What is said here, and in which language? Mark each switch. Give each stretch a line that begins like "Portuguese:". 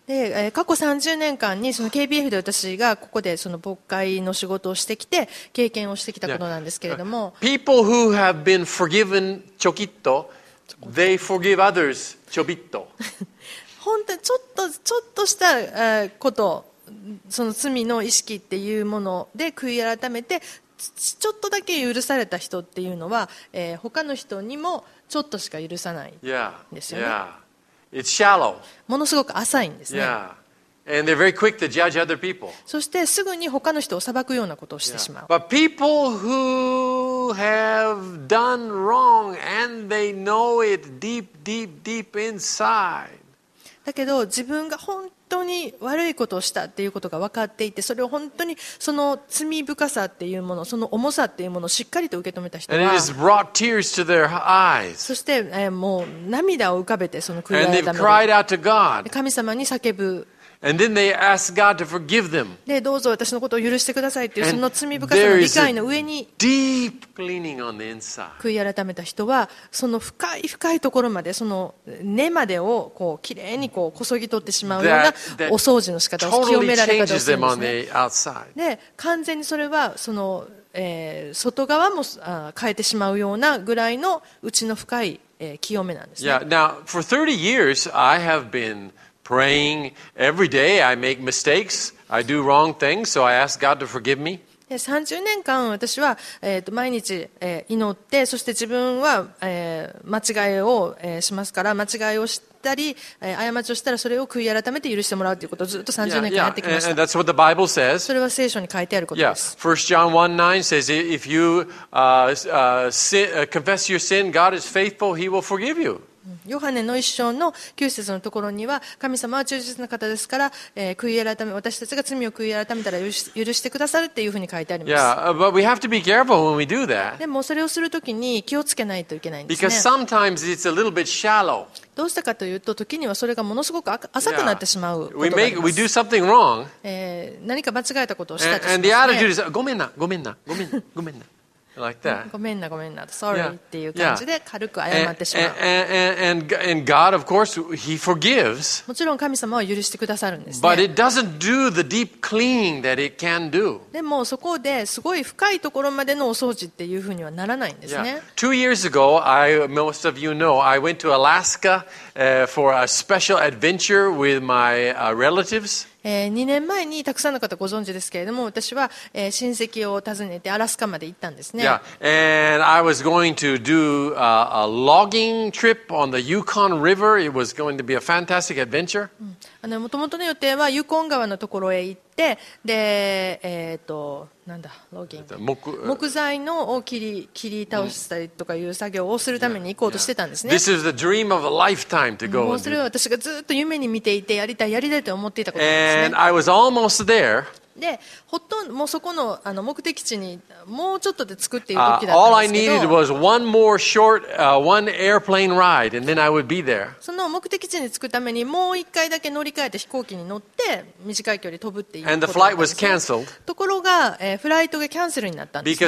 Japanese: で過去30年間にその KBF で私がここでその牧会の仕事をしてきて経験をしてきたことなんですけれども、yeah.
English: People who have been forgiven
Japanese: ちょきっと
English: they forgive others
Japanese: ちょびっと本当にちょっとしたことその罪の意識っていうもので悔い改めてちょっとだけ許された人っていうのは、他の人にもちょっとしか許さないんですよね。
English: yeah. Yeah. It's shallow.
Japanese: ものすごく浅いんですね。
English: Yeah. And they're very quick to judge other people.
Japanese: そしてすぐに他の人を裁くようなことをしてしまう。
English: Yeah. But people who have done wrong and they know it deep, deep, deep inside.
Japanese: だけど自分が本当に悪いことをしたっていうことが分かっていて、それを本当にその罪深さっていうもの、その重さっていうものをしっかりと受け止めた人は、
English: And it has brought tears to their eyes.
Japanese: そして、もう涙を浮かべてその悔い改め。
English: And they've cried out to God.
Japanese: 神様に叫ぶ。
English: And then they ask God to forgive them.
Japanese: で、どうぞ私のことを許してくださいっていうその罪深さの理解の上に、
English: deep cleaning on the inside.
Japanese: 悔い改めた人は、その深い深いところまで、その根までをこうきれいにこうこそぎ取ってしまうようなお掃除の仕方を清められたりするんですね。で、完全にそれはその、外側も変えてしまうようなぐらいの内の深い、清めなんですね。
English: Yeah. Now, for 30 years, I have been praying every day. I make mistakes. I do wrong things. So I ask God to forgive me.
Japanese: 30年間私は、毎日、祈って、そして自分は、間違いを、しますから、間違いをしたり、過ちをしたらそれを悔い改めて許してもらうということをずっと30年間やってきました。
English: And that's what the Bible says.
Japanese: それは聖書に書いてあることです。
English: Yeah. 1 John 1:9 says, If you confess your sin, God is faithful. He will forgive you.
Japanese: ヨハネの一章の9節のところには、神様は忠実な方ですから、悔い改め、私たちが罪を悔い改めたら許してくださるというふうに書いてあります。
English: Yeah, but we have to be careful when we do that.
Japanese: でもそれをするときに気をつけないといけないんですね。
English: Because sometimes it's a little bit shallow.
Japanese: どうしたかというと、時にはそれがものすごく浅くなってしまうことがあります
English: 。 Yeah. We do something wrong.
Japanese: 何か間違えたことをしたとしますね。
English: And the attitude is,
Japanese: ごめんな、ごめんな、ごめんな、ごめんな。
English: Like that.
Japanese: ごめんな、ごめんな、
English: sorry、yeah.
Japanese: っていう感じで軽く謝ってしまう。
English: And God, of course, He forgives.
Japanese: もちろん神様は許してくださるんですね。
English: But it doesn't do the deep cleaning that it can do.
Japanese: でもそこですごい深いところまでのお掃除っていうふうにはならないんですね。
English: Yeah. 2 years ago, I, most of you know, I went to Alaska, for a special adventure with my, relatives.
Japanese: 2年前にたくさんの方ご存知ですけれども、私は、親戚を訪ねてアラスカまで行ったんですね。
English: Yeah, and I was going to do a logging trip on the Yukon River. It was going to be a fantastic adventure.
Japanese: もともとの予定はユーコン川のところへ行って、で、なんだ、ローギング、木材のを切り倒したりとかいう作業をするために行こうとしてたんですね。
English: This is the dream of a lifetime to go.
Japanese: もうそれは私がずっと夢に見ていて、やりたいやりたいと思っていたことですね。
English: And I was almost there.
Japanese: で、ほとんどもうそこ の, あの目的地にもうちょっとで作っている時だったんですけど、
English: All I needed was one more short, one airplane ride, and then I would be there.
Japanese: その目的地に着くためにもう一回だけ乗り換えて飛行機に乗って短い距離飛ぶっていうことだったんですよ。
English: was canceled.
Japanese: ところが、フライトがキャンセルになったんですね。